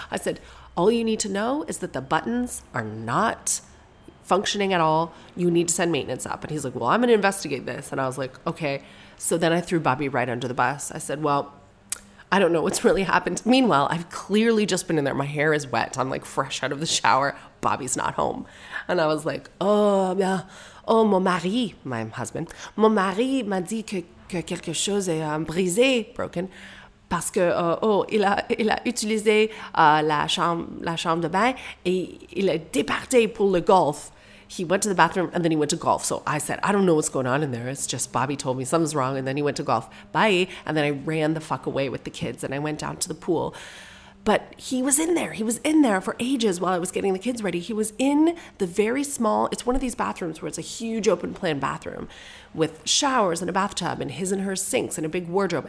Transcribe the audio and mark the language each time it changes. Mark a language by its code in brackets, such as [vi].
[en] I said, all you need to know is that the buttons are not functioning at all. You need to send maintenance up. And he's like, well, I'm going to investigate this. And I was like, okay. So then I threw Bobby right under the bus. I said, well, I don't know what's really happened. Meanwhile, I've clearly just been in there. My hair is wet. I'm like fresh out of the shower. Bobby's not home. And I was like, [fr] oh, mon mari, [en] my husband, [fr] mon mari m'a dit que quelque chose est brisé, [en] broken, [fr] parce que, il a utilisé la chambre de bain et il est départé pour le golf. [en] He went to the bathroom and then he went to golf. So I said, I don't know what's going on in there. It's just Bobby told me something's wrong. And then he went to golf. Bye. And then I ran the fuck away with the kids and I went down to the pool. But he was in there. He was in there for ages while I was getting the kids ready. He was in the very small, it's one of these bathrooms where it's a huge open plan bathroom with showers and a bathtub and his and her sinks and a big wardrobe.